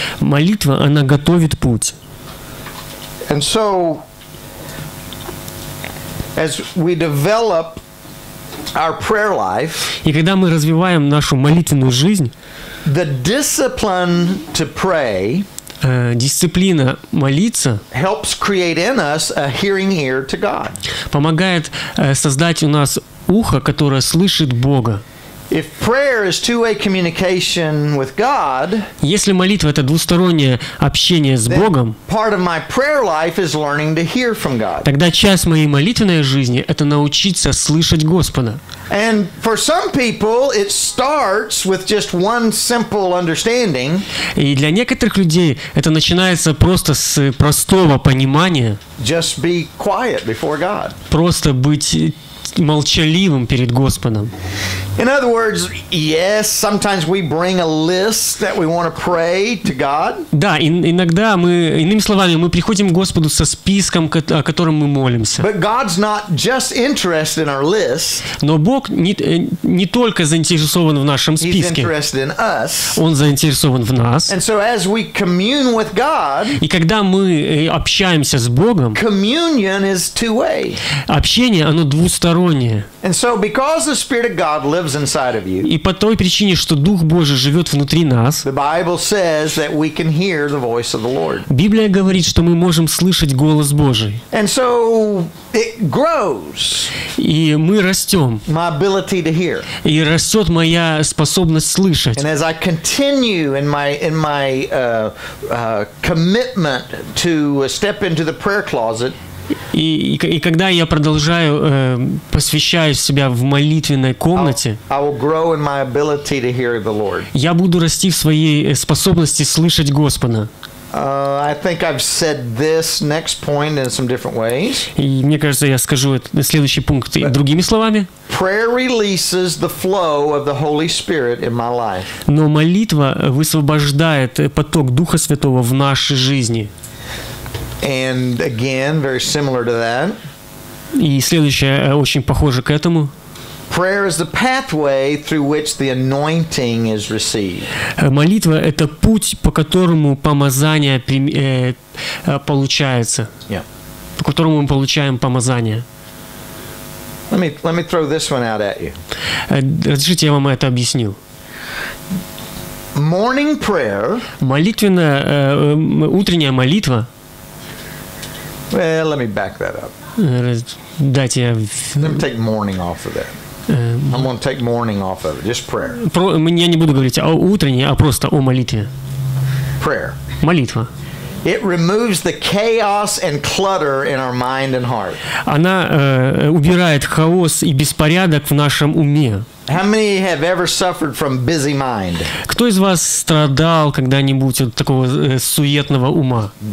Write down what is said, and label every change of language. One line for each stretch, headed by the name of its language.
Russian: Молитва, она готовит путь.
English: And so, as we develop our prayer life,
Russian: и когда мы развиваем нашу молитвенную жизнь,
English: the discipline to pray,
Russian: дисциплина молиться
English: helps create in us a hearing ear to God.
Russian: Помогает создать у нас ухо, которое слышит Бога.
English: If prayer is two-way communication with God,
Russian: если молитва — это двустороннее общение с Богом,
English: part of my prayer life is learning to hear from God.
Russian: Тогда часть моей молитвенной жизни — это научиться слышать Господа.
English: And for some people it starts with just one simple understanding.
Russian: И для некоторых людей это начинается просто с простого понимания.
English: Just be quiet before God.
Russian: Просто быть молчаливым перед Господом.
English: In other words, yes, sometimes we bring a list that we want to pray to God.
Russian: Да, иногда мы, иными словами, мы приходим к Господу со списком, о котором мы молимся.
English: But God's not just interested in our list.
Russian: Но Бог не только заинтересован в нашем списке.
English: He's interested in us.
Russian: Он заинтересован в нас.
English: And so as we commune with God,
Russian: и когда мы общаемся с Богом,
English: communion is two-way.
Russian: Общение, оно двустороннее.
English: And so because the Spirit of God lives inside of you.
Russian: И по той причине, что Дух Божий живёт внутри нас.
English: The Bible says that we can hear the voice of the Lord.
Russian: Библия говорит, что мы можем слышать голос Божий.
English: And so it grows.
Russian: И мы растём.
English: My ability to hear.
Russian: И растёт моя способность слышать.
English: And as I continue in my commitment to step into the prayer closet.
Russian: И когда я продолжаю посвящаю себя в молитвенной комнате, я буду расти в своей способности слышать Господа.
English: I think I've said this next point in some different ways.
Russian: И мне кажется, я скажу это следующий пункт другими словами.
English: Prayer releases the flow of the Holy Spirit in my life.
Russian: Но молитва высвобождает поток Духа Святого в нашей жизни.
English: And again, very similar to that.
Russian: И следующее очень похоже к этому.
English: Prayer is the pathway through which the anointing is received.
Russian: Молитва — это путь, по которому помазание получается.
English: Yeah.
Russian: По которому мы получаем помазание.
English: Let me throw this one out at you.
Russian: Разрешите, я вам это объясню.
English: Morning prayer.
Russian: Утренняя молитва.
English: Well, let me back that up.
Russian: Дайте я...
English: Let me take morning off of that. I'm going to take morning off of it. Just prayer.
Russian: Я не буду говорить о утренней, а просто о молитве.
English: Prayer.
Russian: Молитва.
English: It removes the chaos and clutter in our mind and heart.
Russian: Она убирает хаос и беспорядок в нашем уме.
English: How many have ever suffered from busy mind?
Russian: Кто из вас страдал когда-нибудь от такого суетного ума?